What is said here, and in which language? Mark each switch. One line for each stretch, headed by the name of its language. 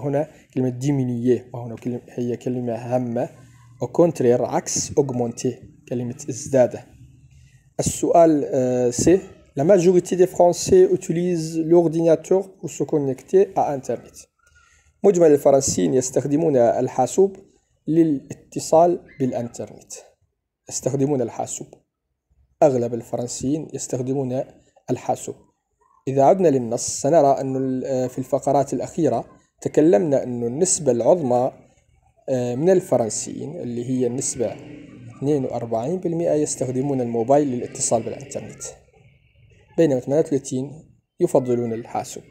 Arabic: وهنا كلمة diminuer وهنا هي كلمة هامة،
French: au contraire
Arabic: عكس augmenter كلمة ازدادة. السؤال سي،
French: la majorité des Français utilisent l'ordinateur pour se connecter à internet.
Arabic: مجمل الفرنسيين يستخدمون الحاسوب للاتصال بالانترنت، يستخدمون الحاسوب، اغلب الفرنسيين يستخدمون الحاسوب. اذا عدنا للنص سنرى انه في الفقرات الأخيرة تكلمنا انه النسبة العظمى من الفرنسيين اللي هي النسبة 42% يستخدمون الموبايل للاتصال بالانترنت، بينما 38 يفضلون الحاسوب.